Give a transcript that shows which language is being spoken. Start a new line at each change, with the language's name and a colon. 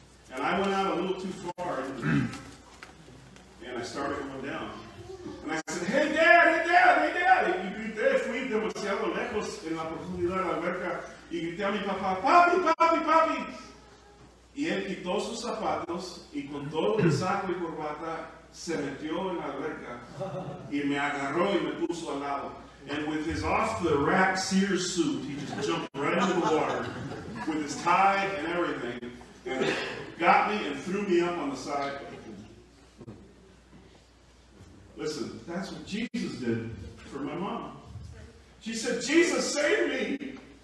English: And I went out a little too far, and I started going down. And I said, hey, Dad, hey, Dad, hey, Dad.
Spanish: Y grité, fui demasiado lejos en la profundidad de la alberca. Y grité a mi papá, papi, papi, papi. Y él quitó sus zapatos y con todo el saco y corbata se metió en la alberca y me agarró y me puso al lado.
English: And with his off-the-rack Sears suit, he just jumped right into the water with his tie and everything, and got me and threw me up on the side. Listen, that's what Jesus did for my mom. She said, Jesus, save me!